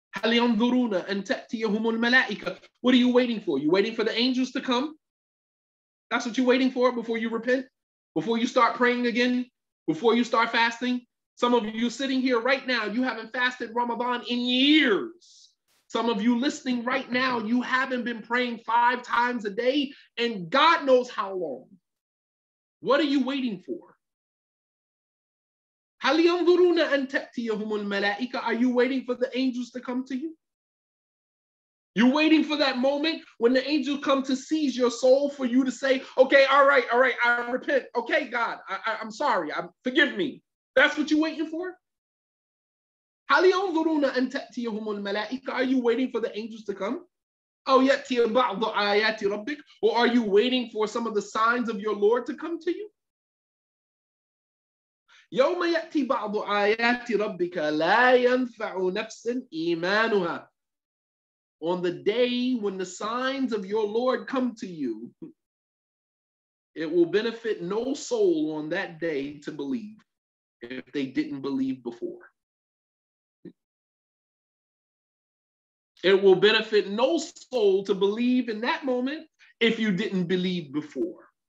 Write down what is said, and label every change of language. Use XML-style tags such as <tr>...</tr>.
<ar>هل ينظرون أن تأتيهم الملائكة?</ar> <en>What are you waiting for? You waiting for the angels to come? That's what you're waiting for before you repent? Before you start praying again? Before you start fasting? Some of you sitting here right now, you haven't fasted Ramadan in years. Some of you listening right now, you haven't been praying 5 times a day and God knows how long. What are you waiting for?</en> <ar>هل ينظرون أن تأتيهم الملائكة?</ar> <en>Are you waiting for the angels to come to you? You're waiting for that moment when the angels come to seize your soul for you to say, okay, all right, I repent. Okay, God, I'm sorry, forgive me. That's what you're waiting for?</en> <ar>هل ينظرون أن تأتيهم الملائكة?</ar> <en>Are you waiting for the angels to come?</en> <ar>أو يأتي بعض آيات ربك?</ar> <en>Or are you waiting for some of the signs of your Lord to come to you?</en> <ar>يوم يأتي بعض آيات ربك لا ينفع نفس إيمانها.</ar> <en>On the day when the signs of your Lord come to you, it will benefit no soul on that day to believe if they didn't believe before. It will benefit no soul to believe in that moment if you didn't believe before.</en>